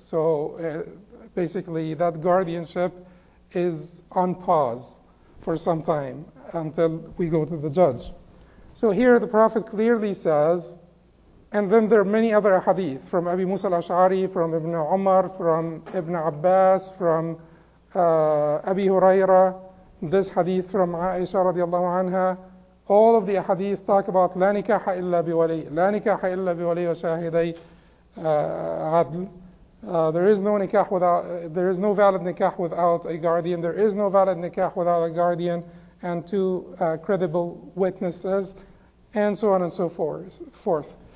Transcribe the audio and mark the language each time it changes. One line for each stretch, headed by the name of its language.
English: So basically that guardianship is on pause for some time until we go to the judge. So here the Prophet clearly says, and then there are many other hadith from Abi Musa al-Ash'ari, from Ibn Umar, from Ibn Abbas, from Abi Huraira, this hadith from Aisha radiallahu anha. All of the hadith talk about
Arabic: لا نكاح إلا بولي, لا نكاح إلا بولي وشاهدي عدل.
English: There is no nikah without, there is no valid nikah without a guardian. There is no valid nikah without a guardian and two credible witnesses, and so on and so forth.